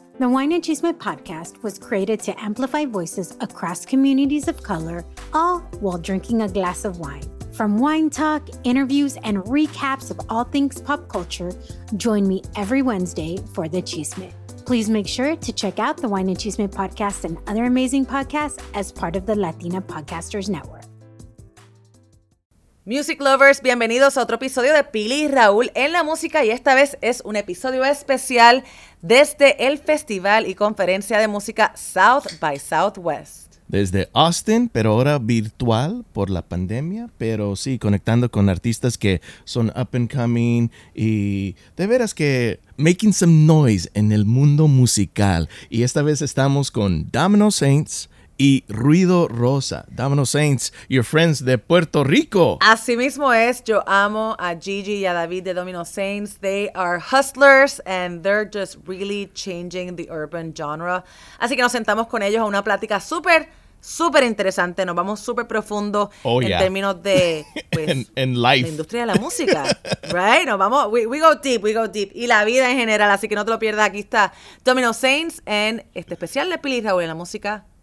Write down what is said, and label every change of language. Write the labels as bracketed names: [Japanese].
[English] The Wine and Chisme podcast was created to amplify voices across communities of color, all while drinking a glass of wine. From wine talk, interviews, and recaps of all things pop culture, join me every Wednesday for the chisme. Please make sure to check out the Wine and Chisme podcast and other amazing podcasts as part of the Latina Podcasters Network. [Spanish] Music lovers, bienvenidos a otro episodio de Pili y Raúl en la música, y esta vez es un episodio especial desde el Festival y Conferencia de Música South by Southwest. Desde Austin, pero ahora virtual por la pandemia, pero sí, conectando con artistas que son up and coming y de veras que making some noise en el mundo musical. Y esta vez estamos con Domino Saints y Ruido Rosa. Domino Saints, your friends de Puerto Rico. Así mismo es. Yo amo a Gigi y a David de Domino Saints. [English] They are hustlers and they're just really changing the urban genre. [Spanish] Así que nos sentamos con ellos a una plática súper, súper interesante. Nos vamos súper profundo términos de, pues, en life. La industria de la música. Right? Nos vamos, we go deep. Y la vida en general. Así que no te lo pierdas. Aquí está Domino Saints en este especial de Pili y Raúl en la música.